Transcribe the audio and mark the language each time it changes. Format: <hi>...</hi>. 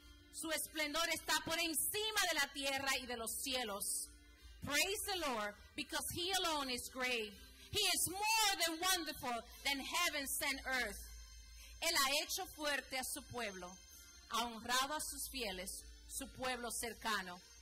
<es>Su esplendor está por encima de la tierra y de los cielos.</es> <en>Praise the Lord, because He alone is great. He is more than wonderful than heavens and earth.</en> <es>Él ha hecho fuerte a su pueblo, ha honrado a sus fieles, su pueblo cercano.</es>